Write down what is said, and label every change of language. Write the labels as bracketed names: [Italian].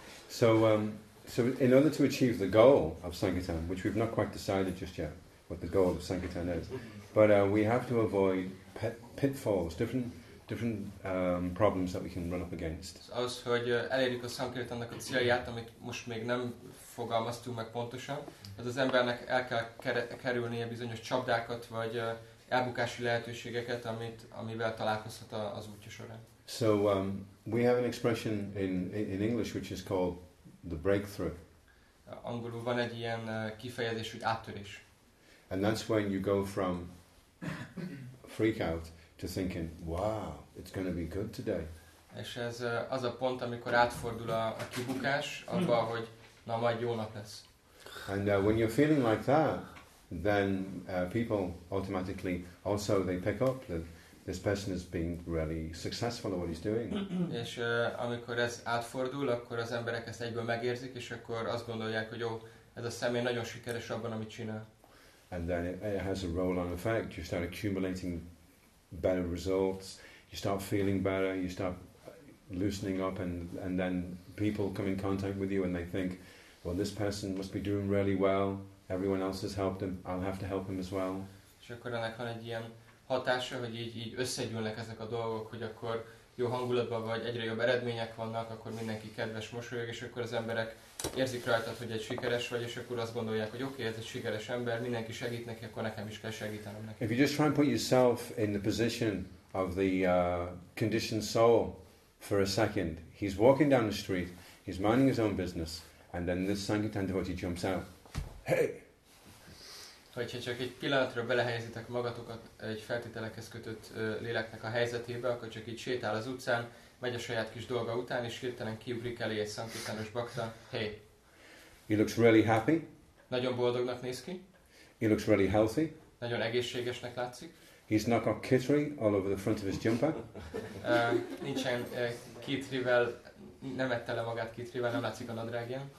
[English] So in order to achieve the goal of Sankirtan, which we've not quite decided just yet what the goal of Sankirtan is, but we have to avoid pitfalls, different problems that we can run up against. [Hungarian] Az, hogy elérjük a Sankirtannak a célját, amit most még nem fogalmaztunk meg pontosan, hogy az embernek el kell kerülnie bizonyos csapdákat, vagy elbukási lehetőségeket, amivel találkozhat az útja során. [English] So we have an expression in English which is called the breakthrough. [Hungarian] Angolul van egy ilyen kifejezés, hogy áttörés. [English] And that's when you go from freak out to thinking, wow, it's going to be good today. [Hungarian] És ez az a pont, amikor átfordul a kibukás, abba, hogy na, majd jó nap lesz. [English] And when you're feeling like that, then people automatically also they pick up that this person is being really successful at what he's doing. [Hungarian] És amikor ez átfordul, akkor az emberek ezt egyből megérzik, és akkor azt gondolják, hogy jó, ez a személy nagyon sikeres abban, amit csinál. [English] And then it has a roll-on effect. You start accumulating better results. You start feeling better. You start loosening up, and then people come in contact with you, and they think, well, this person must be doing really well. Everyone else has helped him. I'll have to help him as well. [Hungarian] És akkor ennek van egy ilyen hatása, hogy így összegyűlnek ezek a dolgok, hogy akkor jó hangulatban vagy, egyre jobb eredmények vannak, akkor mindenki kedves, mosolyog, és akkor az emberek érzik rajtad, hogy egy sikeres vagy, és akkor azt gondolják, hogy oké, ez egy sikeres ember, mindenki segít neki, akkor nekem is kell segítenem neki. [English] If you just try and put yourself in the position of the conditioned soul for a second, he's walking down the street, he's minding his own business, and then this Sankirtan devotee jumps out. Hey! [Hungarian] Hogyha csak egy pillanatra belehelyezitek magatokat egy feltételekhez kötött léleknek a helyzetébe, akkor csak így sétál az utcán, megy a saját kis dolga után, és hirtelen kiugrik elé egy szankirtános bakta. [English] Hey! He looks really happy. [Hungarian] Nagyon boldognak néz ki. [English] He looks really healthy. [Hungarian] Nagyon egészségesnek látszik. [English] He's not got kitri all over the front of his jumper. [Hungarian] Nincsen kitrivel, nem ette le magát kitrivel, nem látszik a nadrágján.